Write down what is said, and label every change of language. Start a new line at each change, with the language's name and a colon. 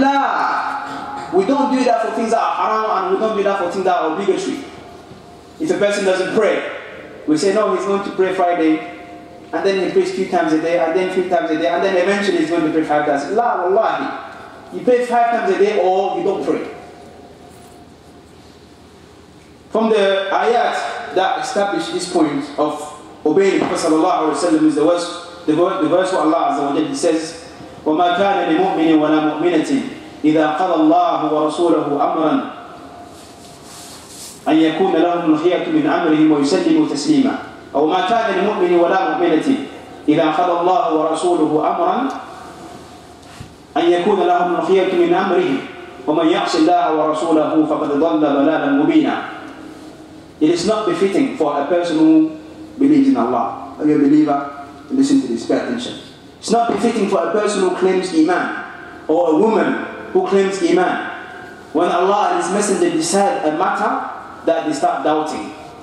English: La! We don't do that for things that are haram, and we don't do that for things that are obligatory. If a person doesn't pray, we say, no, he's going to pray Friday, and then he prays 2 times a day, and then 3 times a day, and then eventually he's going to pray 5 times. La wallahi. You pray 5 times a day, or you don't pray. From the ayat that established this point of obeying the Prophet sallallahu alaihi wasallam is the verse where Allah Azza wa Jalla says,
Arabic: وَمَا كَانَ لِمُؤْمِنٍ وَلَا مُؤْمِنَةٍ إِذَا قَضَى اللَّهُ وَرَسُولَهُ أَمْرًا أَنْ يَكُونَ لَهُمُ الْخِيَرَةُ مِنْ أَمْرِهِمْ وَيُسَلِّمُوا تَسْلِيمًا أَوْ مَا كَانَ لِمُؤْمِنٍ وَلَا مُؤْمِنَةٍ إِذَا قَضَى اللَّهُ وَرَسُولُهُ أَمْرًا أَنْ يَكُونَ لَهُمُ الْخِيَرَةُ مِنْ أَمْرِهِمْ وَمَنْ يَعْصِ اللَّهَ وَرَسُولَهُ فَقَدْ ضَلَّ ضَلَالًا مُبِينًا.
English: It is not befitting for a person who believes in Allah. Are you a believer? Listen to this, pay attention. It's not befitting for a person who claims Iman, or a woman who claims Iman, when Allah and His Messenger decide a matter, that they start doubting.